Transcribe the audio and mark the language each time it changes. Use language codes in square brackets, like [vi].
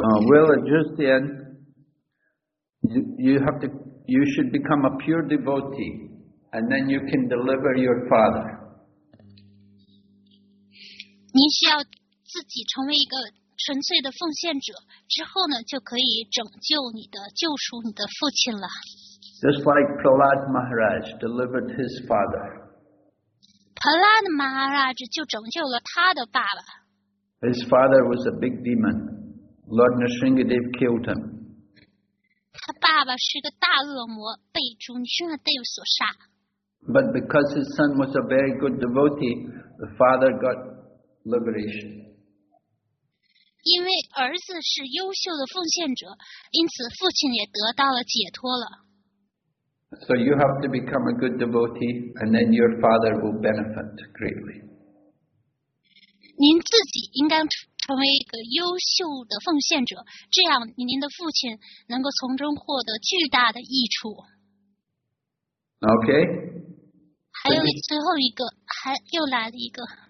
[en] Well, just then, you should become a pure devotee, and then you can deliver your father. [zh] 您需要自己成为一个纯粹的奉献者之后呢，就可以救赎你的父亲了。 [en] Just like Prahlad Maharaj delivered his father. [zh] Prahlad Maharaj 就拯救了他的爸爸。 [en] His father was a big demon. Lord Nrsingadev killed him. [zh] 他爸爸是个大恶魔，被主Nrsingadev所杀。 [en] But because his son was a very good devotee, the father got liberation. [zh] 因为儿子是优秀的奉献者，因此父亲也得到了解脱了。 [en] So you have to become a good devotee, and then your father will benefit greatly. [zh] 您自己应该成为一个优秀的奉献者，这样您的父亲能够从中获得巨大的益处。 [en] Okay. [zh] 还有最后一个，还又来了一个。